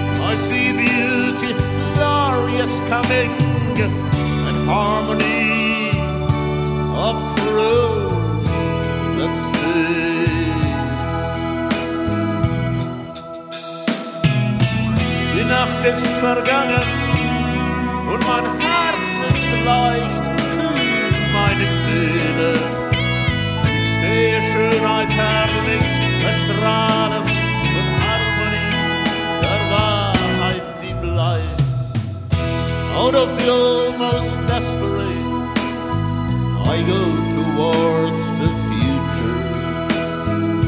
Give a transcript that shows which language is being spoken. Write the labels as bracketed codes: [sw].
[en] I see beauty glorious coming, and harmony of truth that stays. [de] Die Nacht ist vergangen und mein Herz ist vielleicht kühl, meine Seele. Ich sehe Schönheit, herrlich, erstrahlen und Harmonie der Wahrheit, die bleibt. [en] Out of the almost desperate, I go towards the future.